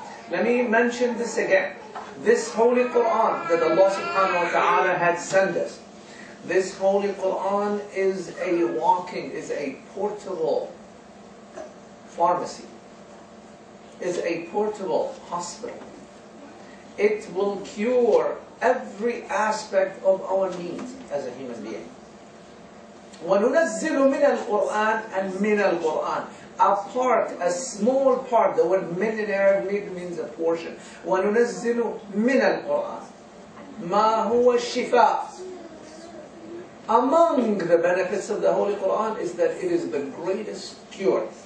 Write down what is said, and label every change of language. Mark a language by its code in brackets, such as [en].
[en] Let me mention this again. This Holy Quran that Allah subhanahu wa ta'ala had sent us, this Holy Quran is a walking, is a portable pharmacy, is a portable hospital. It will cure every aspect of our needs as a human being. [ar] وَنُنَزِّلُ مِنَ الْقُرْآنِ and مِنَ الْقُرْآنِ. [en] A part, a small part, the word min in Arabic means a portion. [ar] وَنُنَزِّلُ مِنَ الْقُرْآنِ مَا هُوَ الشِّفَاء. [en] Among the benefits of the Holy Quran is that it is the greatest cure.